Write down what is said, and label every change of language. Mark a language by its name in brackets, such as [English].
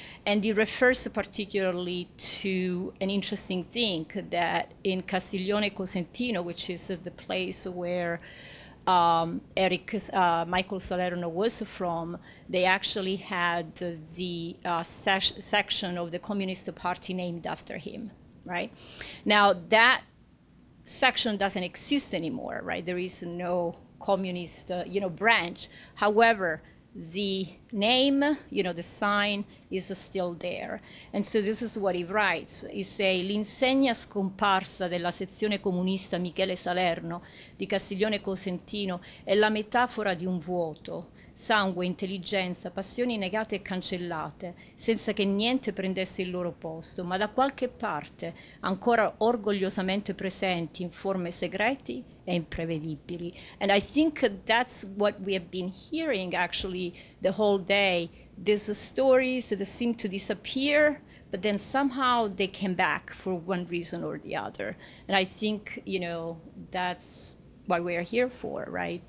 [English] And he refers particularly to an interesting thing that in Castiglione Cosentino, which is the place where Michael Salerno was from, they actually had the section of the Communist Party named after him, right? Now, that section doesn't exist anymore, right? There is no communist, you know, branch. However, the name, you know, the sign is still there. And so this is what he writes. He say, [Italian] l'insegna scomparsa della sezione comunista Michele Salerno di Castiglione Cosentino è la metafora di un vuoto, sangue, intelligenza, passioni negate e cancellate, senza che niente prendesse il loro posto, ma da qualche parte ancora orgogliosamente presenti in forme segreti e imprevedibili. [English] And I think that's what we have been hearing actually the whole day. These stories that seem to disappear, but then somehow they came back for one reason or the other. And I think, you know, that's what we are here for, right?